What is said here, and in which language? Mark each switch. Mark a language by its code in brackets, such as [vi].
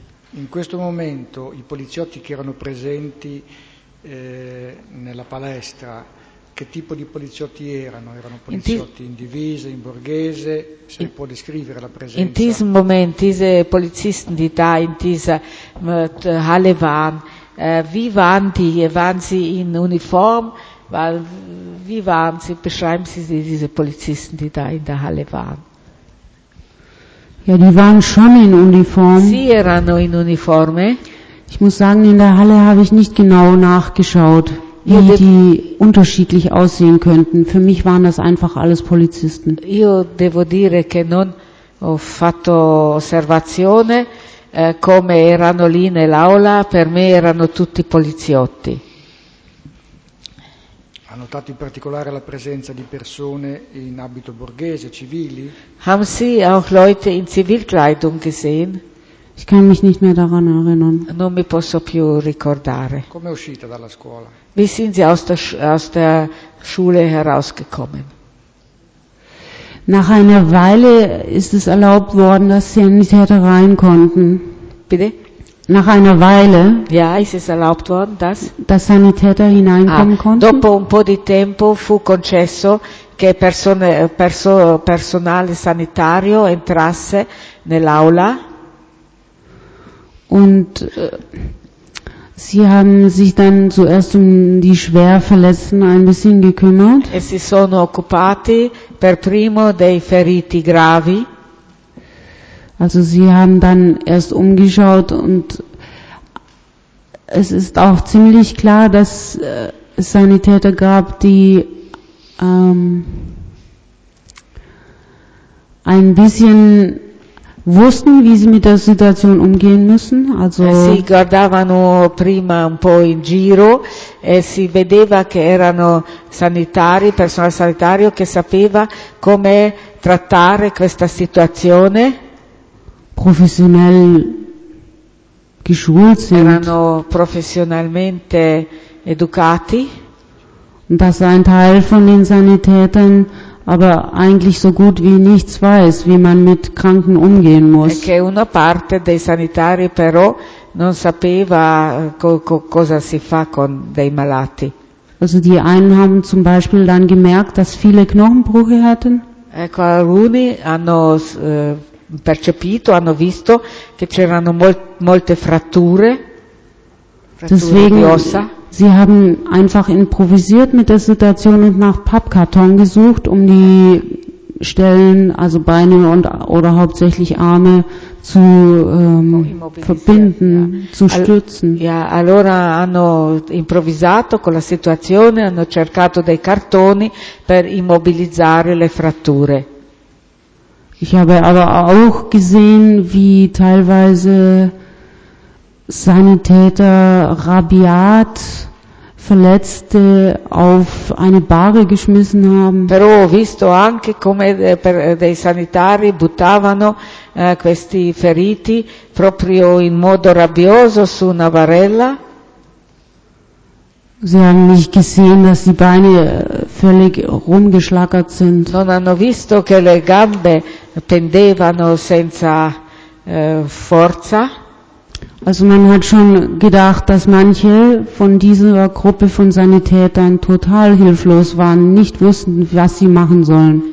[it] In questo momento i poliziotti che erano presenti nella palestra, che tipo di poliziotti erano? Erano poliziotti in divisa, in borghese? Se può descrivere la presenza. [de] In diesem Moment, diese Polizisten, die da in dieser Halle waren, wie waren die? Waren sie in Uniform? Wie waren sie? Beschreiben Sie diese Polizisten, die da in der Halle waren. Ja, die waren schon in Uniform. [it] Sie erano in uniforme. [de] Ich muss sagen, in der Halle habe ich nicht genau nachgeschaut, wie die unterschiedlich aussehen könnten. Für mich waren das einfach alles Polizisten. [it] Io devo dire che non ho fatto osservazione come erano lì nell'aula. Per me erano tutti poliziotti. Ha notato in particolare la presenza di persone in abito borghese, civili? [de] Haben Sie auch Leute in Zivilkleidung gesehen? Ich kann mich nicht mehr daran erinnern. [it] Non mi posso più ricordare. Come è uscita dalla scuola? [de] Wie sind Sie aus der Schule herausgekommen? Nach einer Weile ist es erlaubt worden, dass sie nicht hätte rein konnten. Bitte? Nach einer Weile, ja, ist es erlaubt worden, dass Sanitäter hineinkommen konnten. [it] Dopo un po' di tempo fu concesso che personale sanitario entrasse nell'aula. [de] Und sie haben sich dann zuerst um die Schwerverletzten ein bisschen gekümmert. [it] E si sono occupati per primo dei feriti gravi. [de] Also sie haben dann erst umgeschaut und es ist auch ziemlich klar, dass es Sanitäter gab, die ein bisschen wussten, wie sie mit der Situation umgehen müssen. Also [it] si guardavano prima un po' in giro e si vedeva che erano sanitari, personale sanitario che sapeva come trattare questa situazione. [de] Professionell geschult sind. [it] Erano professionalmente educati. [de] Und dass ein Teil von den Sanitätern aber eigentlich so gut wie nichts weiß, wie man mit Kranken umgehen muss. [it] E che una parte dei sanitari però non sapeva cosa si fa con dei malati. [de] Also die einen haben zum Beispiel dann gemerkt, dass viele Knochenbrüche hatten. [it] Ecco, alcuni hanno percepito, hanno visto che c'erano molte fratture [de] deswegen, [it] di ossa. [de] Sie haben einfach improvisiert mit der Situation und nach Pappkarton gesucht, um die Stellen, also Beine und oder hauptsächlich Arme zu verbinden, ja. Zu stützen. [it] Ja, allora hanno improvvisato con la situazione, hanno cercato dei cartoni per immobilizzare le fratture. [de] Ich habe aber auch gesehen, wie teilweise Sanitäter rabiat Verletzte auf eine Bahre geschmissen haben. [it] Però ho visto anche come dei sanitari buttavano questi feriti proprio in modo rabbioso su una barella. [de] Sie haben nicht gesehen, dass die Beine völlig rumgeschlackert sind. [it] Non hanno visto che le gambe pendevano senza forza. [de] Also man hat schon gedacht, dass manche von dieser Gruppe von Sanitätern total hilflos waren, nicht wussten, was sie machen sollen.